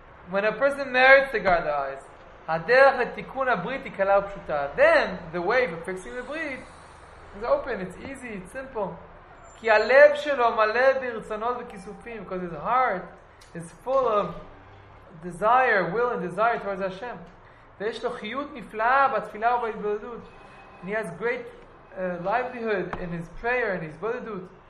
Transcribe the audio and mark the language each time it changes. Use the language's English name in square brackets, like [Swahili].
[English] When a person merits to guard the eyes, [Hebrew] הדרך לתיקון הברית היא קלה ופשוטה. [English] Then, the way for fixing the brit is open, it's easy, it's simple. [Hebrew] כי הלב שלו מלא ברצונות וכיסופים, [English] because his heart is full of desire, will and desire towards Hashem. [Hebrew] ויש לו חיות נפלאה בתפילה ובהתבודדות. [English] And he has great livelihood in his prayer and his bodedut.